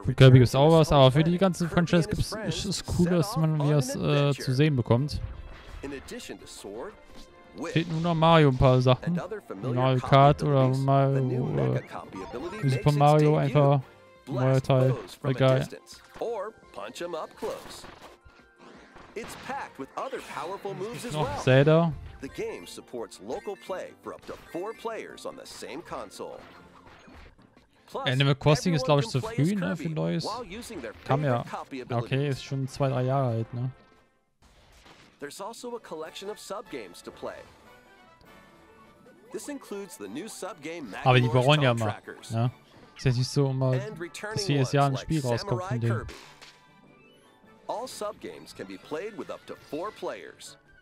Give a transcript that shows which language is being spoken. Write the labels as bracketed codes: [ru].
[de] return, Kirby ist auch was, aber für die ganze Franchise gibt es es cool, dass man das zu sehen bekommt. [en] In addition to Sword, [de] fehlt nur noch Mario ein paar Sachen. Mario Kart oder Mario Super Mario einfach neuer Teil, voll geil. [en] Or punch him up close. It's packed with other powerful moves as well. [de] Zelda. [en] The game supports local play for up to 4 players on the same console. [de] Plus, Animal Crossing ist glaube ich zu früh, ne, für neues. Kam ja. Okay, ist schon 2-3 Jahre alt, ne? [en] There's also a collection of subgames to play. This includes the new subgame Magalore's [de] Time Trackers. Aber die wollen ja mal, ne? Ist ja nicht so immer, dass jedes Jahr ein Spiel rauskommt von denen. [en] All subgames can be played with up to 4 players.